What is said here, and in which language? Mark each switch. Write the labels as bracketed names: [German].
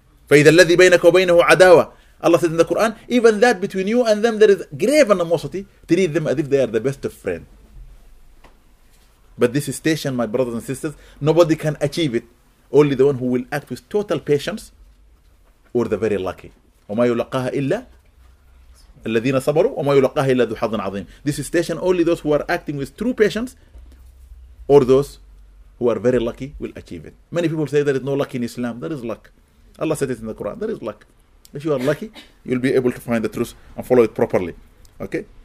[Arabic] فَإِذَا الَّذِي بَيْنَكَ وَبَيْنَهُ عَدَاوَةٌ. [English] Allah said in the Quran, even that between you and them, there is grave animosity, treat them as if they are the best of friends. But this station, my brothers and sisters, nobody can achieve it. Only the one who will act with total patience or the very lucky. [Arabic] وما يلقاها إلا الذين صبروا وما يلقاها إلا ذو حظ عظيم. [English] This station only those who are acting with true patience or those who are very lucky will achieve it. Many people say there is no luck in Islam. There is luck. Allah said it in the Quran. There is luck. If you are lucky, you'll be able to find the truth and follow it properly. Okay.